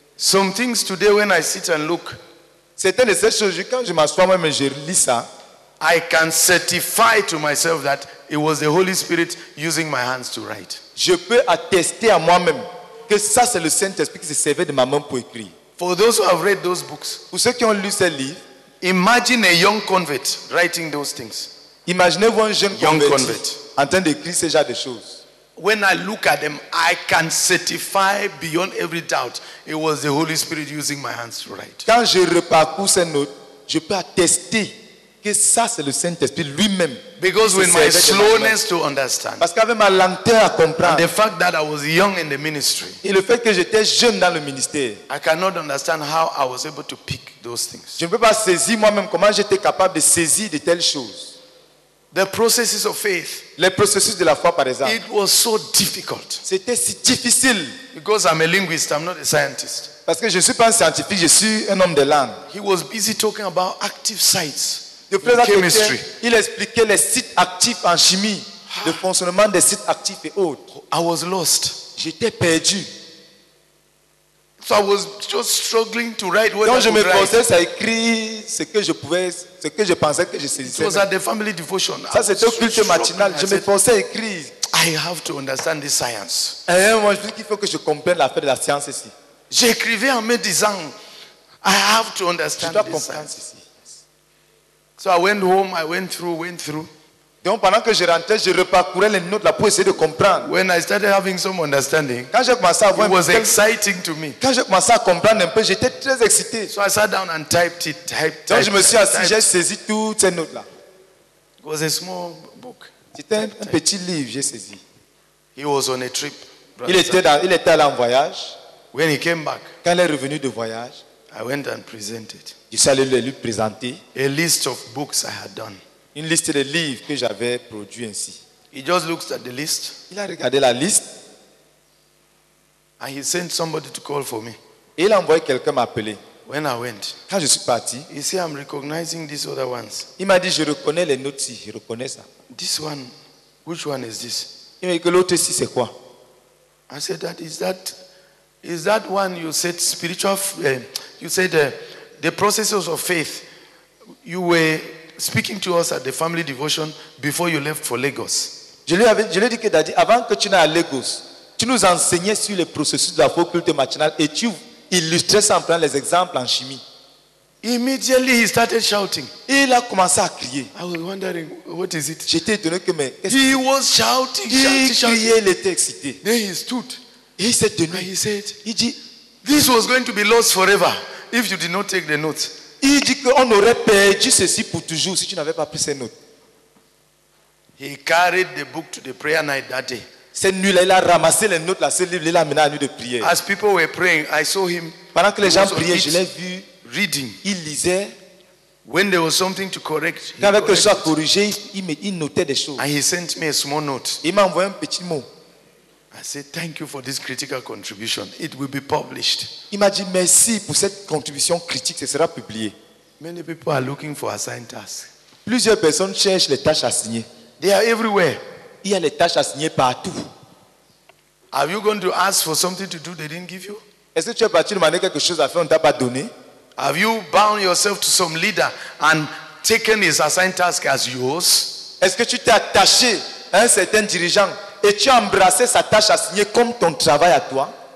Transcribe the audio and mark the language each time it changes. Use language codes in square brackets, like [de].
[en] Some things today when I sit and look. [fr] Certaines de ces choses, quand je m'assois moi-même et je lis ça. [en] I can certify to myself that it was the Holy Spirit using my hands to write. [fr] Je peux attester à moi-même que ça c'est le Saint-Esprit qui se servait de ma main pour écrire. [en] For those who have read those books, [fr] pour ceux qui ont lu ces livres, [en] imagine a young convert writing those things. [fr] Imaginez-vous un jeune convert en train d'écrire ce genre de choses. [en] When I look at them, I can certify beyond every doubt it was the Holy Spirit using my hands to write. [fr] Quand je reparcours ces notes, je peux attester que ça c'est le Saint-Esprit lui-même. [en] Because with my slowness to understand. [fr] Parce qu'avec ma lenteur à comprendre. [en] And the fact that I was young in the ministry. [fr] Et le fait que j'étais jeune dans le ministère. [en] I cannot understand how I was able to pick those things. [fr] Je ne peux pas saisir moi-même comment j'étais capable de saisir de telles choses. [en] The processes of faith. [fr] Les processus de la foi par exemple. [en] It was so difficult. [fr] C'était si difficile. [en] Because I'm a linguist, I'm not a scientist. [fr] Parce que je ne suis pas un scientifique, je suis un homme de langue. [en] He was busy talking about active sites. Chemistry. [fr] Il expliquait les sites actifs en chimie, le fonctionnement des sites actifs et autres. [en] I was lost. [fr] J'étais perdu. [en] So I was just struggling to write what [fr] donc [en] I [fr] je me forçais à écrire ce que je pouvais, ce que je pensais que je saisissais. [en] It was at the family devotion. [fr] Ça c'était au culte matinal. Je me forçais à écrire. [en] I have to understand this science. [fr] Et un moment, je dis qu'il faut que je comprenne l'affaire de la science ici. J'écrivais en me disant, [en] I have to understand this science. So I went home, I went through. [fr] Donc pendant que je rentrais, je reparcourais les notes là pour essayer de comprendre. [en] When I started having some understanding, [fr] quand j'ai commencé à voir, [en] it was exciting to me. [fr] Quand j'ai commencé à comprendre un peu, j'étais très excité. [en] So I sat down and typed it. [fr] Donc je me suis assis, j'ai saisi toutes ces notes là. [en] It was a small book. [fr] C'était un petit livre, j'ai saisi. [en] He was on a trip. [fr] Il était là en voyage. [en] When he came back, [fr] quand il est revenu de voyage, [en] I went and presented. [fr] Je suis allé lui présenter [en] a list of books I had done. [fr] Une liste de livres que j'avais produits ainsi. [en] He just looked at the list. [fr] Il a regardé la liste. [en] And he sent somebody to call for me. [fr] Et il a envoyé quelqu'un m'appeler. [en] When I went, [fr] quand je suis parti, [en] he said, I'm recognizing these other ones. [fr] Il m'a dit, je reconnais les notes-ci, je reconnais ça. [en] This one, which one is this? [fr] Il m'a dit, l'autre ici, c'est quoi? [en] I said, is that one you said spiritual? You said the processes of faith. You were speaking to us at the family devotion before you left for Lagos. [fr] Je lui ai dit que Daddy, avant que tu n'ailles à Lagos, tu nous enseignais sur les processus de la foi culte matinale et tu illustrais ça en prenant les exemples en chimie. [en] Immediately he started shouting. [fr] Il a commencé à crier. [en] I was wondering what is it. [fr] J'étais étonné que mais. [en] He was shouting. [fr] Il était excité. [en] Then he stood. He said to me. And he said, [fr] he dit, [en] this was going to be lost forever if you did not take the notes. [fr] Il dit qu'on aurait perdu ceci pour toujours si tu n'avais pas pris ces notes. [en] He carried the book to the prayer night that day. [fr] Cette nuit-là, il a ramassé les notes là, ce livre, il a amené à la nuit de prière. [en] As people were praying, I saw him. [fr] Pendant que les gens priaient, je l'ai vu [en] reading. [fr] Il lisait. [en] When there was something to correct, [fr] quand avec quelque chose à corriger, il notait des choses. [en] And he sent me a small note. [fr] Il m'a envoyé un petit mot. [en] I said, thank you for this critical contribution. It will be published. [fr] Imagine, merci pour cette contribution critique, ce sera publié. [en] Many people are looking for assigned tasks. [fr] Plusieurs personnes cherchent les tâches assignées. [en] They are everywhere. [fr] Il y a les tâches assignées partout. [en] Are you going to ask for something to do they didn't give you? [fr] Est-ce que tu es parti demander quelque chose à faire, on ne t'a pas donné? [en] Have you bound yourself to some leader and taken his assigned task as yours? [fr] Est-ce que tu t'es attaché à un certain dirigeant? Et tu as embrassé sa tâche assignée comme ton travail à toi.